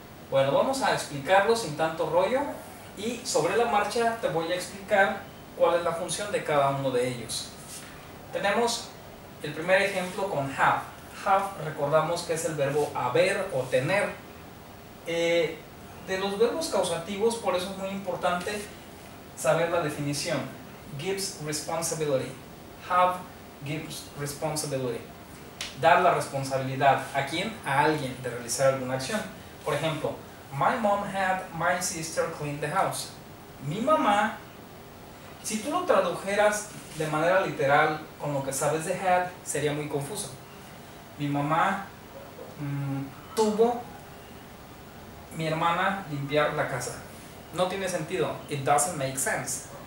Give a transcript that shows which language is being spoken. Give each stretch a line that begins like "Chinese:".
Spanish: Bueno, vamos a explicarlo sin tanto rollo y sobre la marcha te voy a explicar cuál es la función de cada uno de ellos. Tenemos el primer ejemplo con have. Have, recordamos que es el verbo haber o tener. De los verbos causativos, por eso es muy importante saber la definición.
English: Gives responsibility. Have gives responsibility.
Spanish: Dar la responsabilidad. ¿A quién? A alguien de realizar alguna acción. Por ejemplo,
English: my mom had my sister clean the house.
Spanish: Mi mamá. Si tú lo tradujeras de manera literal con lo que sabes de had, sería muy confuso. Mi mamá tuvo mi hermana limpiar la casa. No tiene sentido.
English: It doesn't make sense.